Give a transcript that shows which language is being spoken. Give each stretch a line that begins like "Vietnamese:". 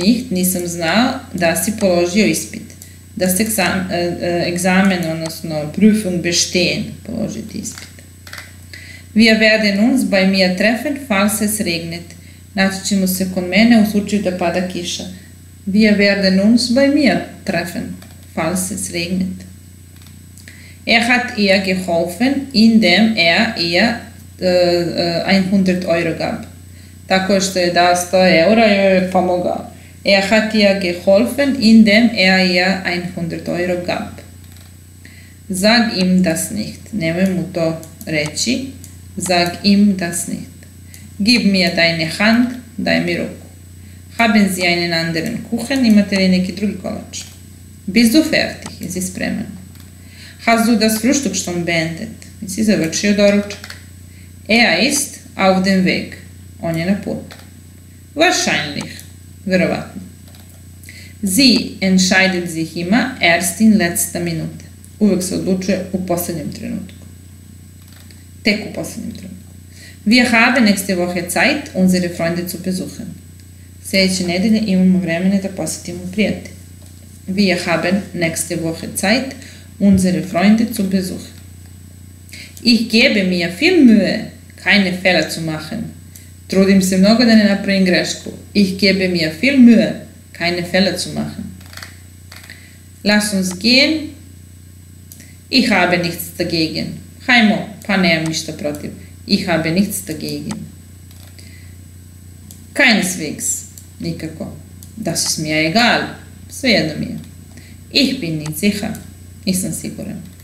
Serbian: Nisam znao da si položio ispit.
German: Das Examen,
Serbian: odnosno
German: Prüfung bestehen,
Serbian: položiti ispit.
German: Wir werden uns bei mir treffen, falls es regnet.
Serbian: Naći ćemo se kod mene u slučaju da pada kiša.
German: Wir werden uns bei mir treffen, falls es regnet. Er hat ihr geholfen, indem er ihr 100 Euro gab.
Serbian: Tako što je dao 100 eura, joj je pomogao.
German: Er hat ihr geholfen, indem er ihr 100 Euro gab. Sag ihm das nicht.
Serbian: Nemoj mu to reći.
German: Sag ihm das nicht. Gib mir deine Hand,
Serbian: daj mi ruku.
German: Haben Sie einen anderen Kuchen,
Serbian: imate li neki drugi kolač?
German: Bist du fertig,
Serbian: jesi spreman?
German: Hast du das Frühstück schon beendet,
Serbian: jesi završio doručak?
German: Er ist auf dem Weg,
Serbian: on je na putu.
German: Wahrscheinlich,
Serbian: vjerovatno.
German: Sie entscheidet sich immer erst in letzter Minute.
Serbian: Uvijek se odlučuje u posljednjem trenutku. Tek u posljednjem trenutku.
German: Wir haben nächste Woche Zeit, unsere Freunde zu besuchen.
Serbian: Sljedeće nedelje imamo vremena da posjetimo prijatelje.
German: Wir haben nächste Woche Zeit, unsere Freunde zu besuchen. Ich gebe mir viel Mühe, keine Fehler zu machen.
Serbian: Trudim se mnogo da ne napravim grešku.
German: Ich gebe mir viel Mühe, keine Fehler zu machen. Lass uns gehen. Ich habe nichts dagegen.
Serbian: Hajmo, pa nemam ništa protiv.
German: Ich habe nichts dagegen. Keineswegs.
Serbian: Nikako.
German: Das ist mir egal.
Serbian: Svejedno mi je.
German: Ich bin nicht sicher.
Serbian: Nisam siguran.